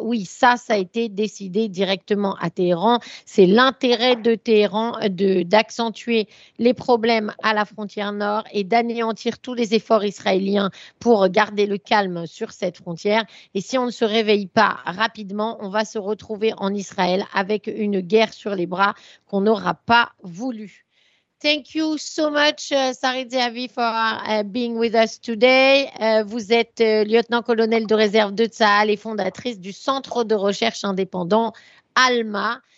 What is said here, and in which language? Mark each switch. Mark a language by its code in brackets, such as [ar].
[fr] Oui, ça, ça a été décidé directement à Téhéran. C'est l'intérêt de Téhéran d'accentuer les problèmes à la frontière nord et d'anéantir tous les efforts israéliens pour garder le calme sur cette frontière. Et si on ne se réveille pas rapidement, on va se retrouver en Israël avec une guerre sur les bras qu'on n'aura pas voulu. [en] Thank you so much, Sarit Zehavi, for being with us today. [fr] Vous êtes lieutenant-colonel de réserve de Tsahal et fondatrice du Centre de recherche indépendant ALMA.